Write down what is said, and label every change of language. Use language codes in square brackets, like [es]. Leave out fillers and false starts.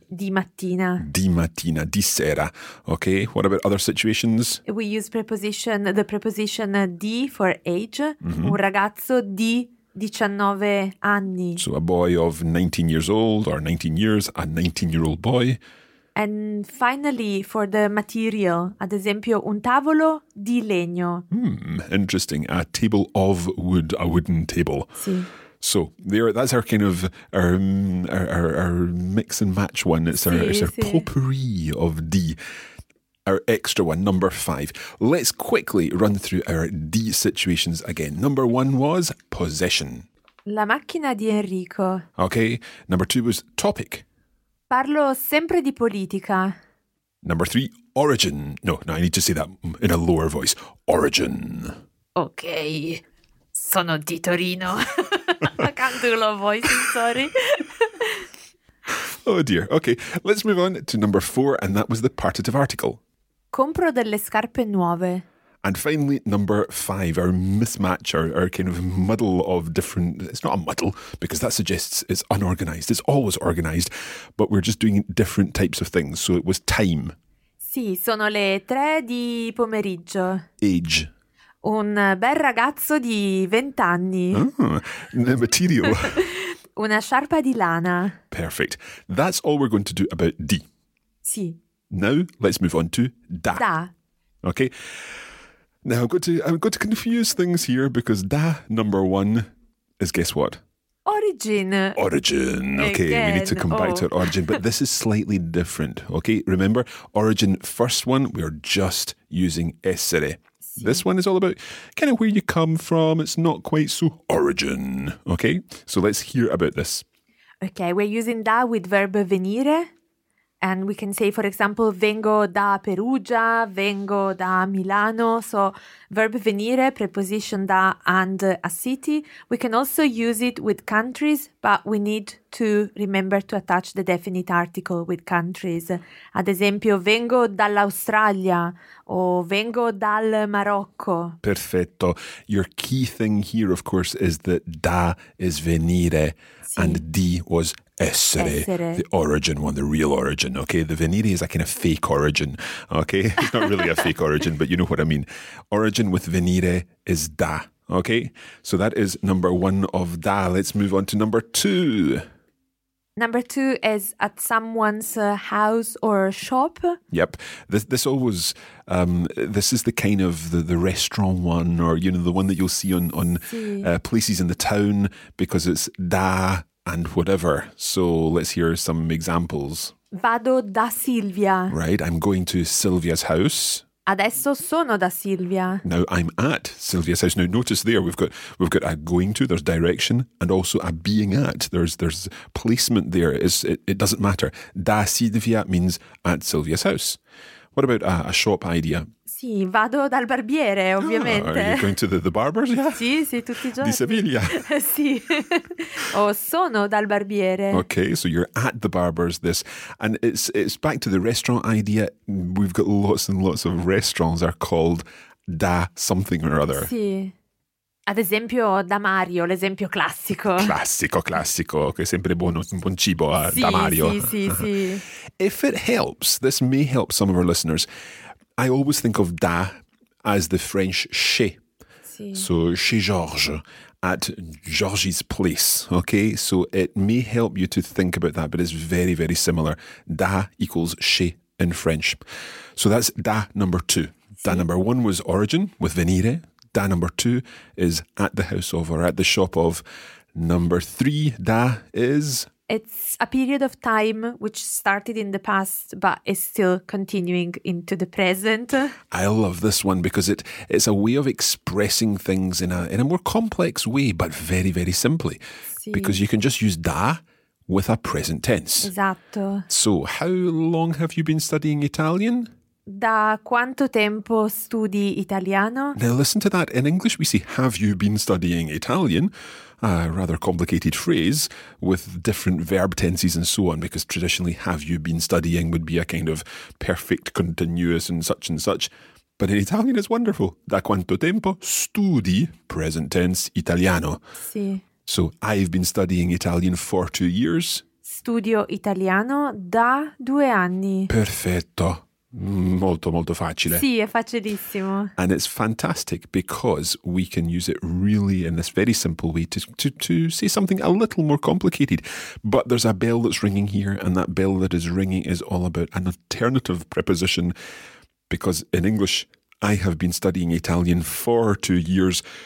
[it] Di mattina. Di mattina, di sera. [en] Okay, what about other situations? We use the preposition di for age. Mm-hmm. [it] Un ragazzo di 19 anni. [en] So a boy of 19 years old or 19 years, a 19-year-old boy. And finally, for the material, [it] ad esempio, un tavolo di legno. [en] Interesting. A table of wood, a wooden table. [it] Sì. [en] So there, that's our kind of our mix and match one. It's our, [it] sì, [en] it's our [it] sì. [en] Potpourri of D, our extra one, number five. Let's quickly run through our D situations again. Number one was possession. [it] La macchina di Enrico. [en] Okay. Number two was topic. [it] Parlo sempre di politica. [en] Number three, origin. No, I need to say that in a lower voice. Origin. [it] Okay. Sono di Torino. [en] I can't do low voices, sorry. Oh dear. Okay, let's move on to number four, and that was the partitive article. [it] Compro delle scarpe nuove. [en] And finally, number five, our mismatch, our kind of muddle of different... It's not a muddle, because that suggests it's unorganized. It's always organized, but we're just doing different types of things. So it was time. [it] Sì, sono le 3 di pomeriggio. [en] Age. [it] Un bel ragazzo di 20 anni. [en] Oh, material. [it] Una sciarpa di lana. [en] Perfect. That's all we're going to do about D. [it] Sì. [en] Now, let's move on to da. [it] Da. [en] Okay. Now, I'm going to confuse things here because da, number one, is guess what? Origin. Origin. Okay, again. We need to come back to our origin, but this is slightly different. Okay, remember, origin, first one, we are just using essere. This one is all about kind of where you come from. It's not quite so origin, okay? So let's hear about this. Okay, we're using da with verb venire. And we can say, for example, [it] vengo da Perugia, vengo da Milano. [en] So verb venire, preposition da and a city. We can also use it with countries, but we need to remember to attach the definite article with countries. [it] Ad esempio, vengo dall'Australia o vengo dal Marocco. Perfetto. [en] Your key thing here, of course, is that da is venire and di was essere. The origin one, the real origin, okay? The venire is a kind of fake origin, okay? It's not really a fake origin, but you know what I mean. Origin with venire is da, okay? So that is number one of da. Let's move on to number two. Number two is at someone's house or shop. Yep. This always, this is the kind of the restaurant one or, you know, the one that you'll see on places in the town because it's da and whatever. So let's hear some examples. [it] Vado da Silvia. [en] Right. I'm going to Silvia's house. [it] Adesso sono da Silvia. [en] Now I'm at Silvia's house. Now notice there we've got a going to, there's direction, and also a being at. There's placement there. It doesn't matter. Da Silvia means at Silvia's house. What about a shop idea? [it] Sì, vado dal barbiere, ovviamente. [en] Are you going to the barbers? Yeah. [it] Sì, sì, tutti i giorni. Di Siviglia. Sì. O sono dal barbiere. [en] Okay, so you're at the barbers this. And it's back to the restaurant idea. We've got lots and lots of restaurants are called da something or other. [it] Sì. Ad esempio da Mario, l'esempio classico. Classico, classico. Che è sempre buon cibo sì, da Mario. Sì, sì, sì. [en] If it helps, this may help some of our listeners. I always think of da as the French chez. [it] Sì. [en] So chez Georges, at Georges' place. Okay, so it may help you to think about that, but it's very, very similar. Da equals chez in French. So that's da number two. [it] Sì. [en] Da number one was origin with venire. Da number two is at the house of or at the shop of. Number three, da is... It's a period of time which started in the past but is still continuing into the present. I love this one because it's a way of expressing things in a more complex way but very, very simply. [it] Sì. [en] Because you can just use da with a present tense. [it] Esatto. [en] So how long have you been studying Italian? [it] Da quanto tempo studi italiano? [en] Now listen to that. In English we say, have you been studying Italian? A rather complicated phrase with different verb tenses and so on, because traditionally have you been studying would be a kind of perfect continuous and such. But in Italian it's wonderful. [it] Da quanto tempo studi, [en] present tense, [it] italiano? Sì. [en] So I've been studying Italian for 2 years. [it] Studio italiano da 2 anni. Perfetto. Molto, molto facile. Sì, è facilissimo. [en] And it's fantastic because we can use it really in this very simple way to say something a little more complicated. But there's a bell that's ringing here, and that bell that is ringing is all about an alternative preposition, because in English, I have been studying Italian for 2 years.